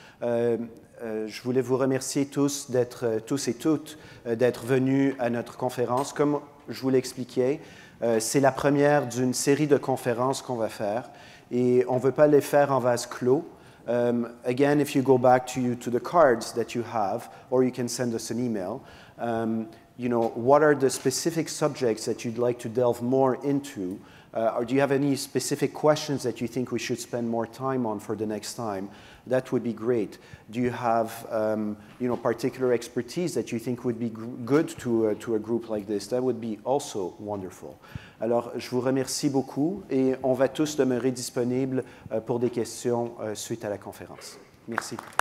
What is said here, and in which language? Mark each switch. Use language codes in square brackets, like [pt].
[fr] Je voulais vous remercier tous et toutes d'être venus à notre conférence. Comme je vous l'expliquais, c'est la première d'une série de conférences qu'on va faire et on ne veut pas les faire en vase clos. [en] Again, if you go back to the cards that you have, or you can send us an email, you know, what are the specific subjects that you'd like to delve more into? Or do you have any specific questions that you think we should spend more time on for the next time? That would be great. Do you have, you know, particular expertise that you think would be good to a group like this? That would be also wonderful. [fr] Alors, je vous remercie beaucoup et on va tous demeurer disponibles pour des questions suite à la conférence. Merci.